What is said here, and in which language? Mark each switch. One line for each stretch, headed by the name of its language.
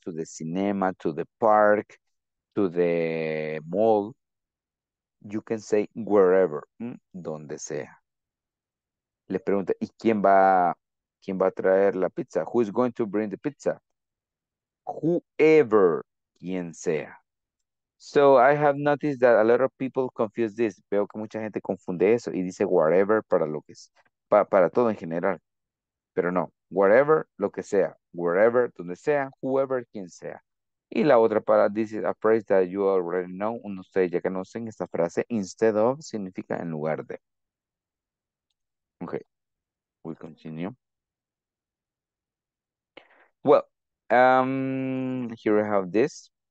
English: To the cinema, to the park, to the mall. You can say wherever. Donde sea.
Spanish: Le pregunta, ¿y quién va a traer la pizza?
English: Who is going to bring the pizza? Whoever, quien sea. So, I have noticed that a lot of people confuse this.
Spanish: Veo que mucha gente confunde eso y dice whatever para lo que es, para todo en general. Pero no, whatever, lo que sea. Wherever, donde sea, whoever, quien sea.
English: Y la otra para, this is a phrase that you already know.
Spanish: Ustedes ya conocen esta frase. Instead of significa en lugar de.
English: Okay, we continue. Well, here we have this.